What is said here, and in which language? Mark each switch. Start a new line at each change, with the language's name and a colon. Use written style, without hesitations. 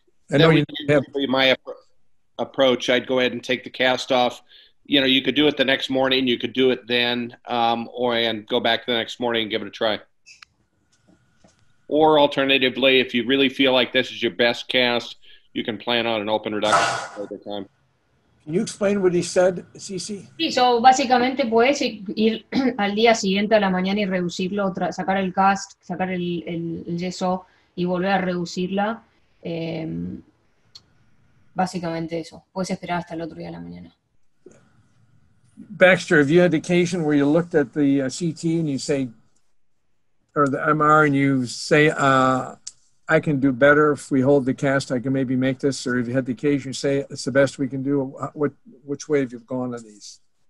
English: And then my approach, I'd go ahead and take the cast off. You know, you could do it the next morning, you could do it then, and go back the next morning and give it a try. Or alternatively, if you really feel like this is your best cast, you can plan on an open reduction at the time. Can you explain what he said, Cici?
Spanish: Sí, so básicamente puedes ir al día siguiente a la mañana y reducirlo, sacar el cast, sacar el yeso y volver a reducirla. Básicamente eso. Puedes esperar hasta el otro día a la mañana.
English: Baxter, have you had occasion where you looked at the CT and you say, or the MR, and you say, I can do better if we hold the cast, I can maybe make this, or have you had the occasion to say it's the best we can do? Which way have you gone on these?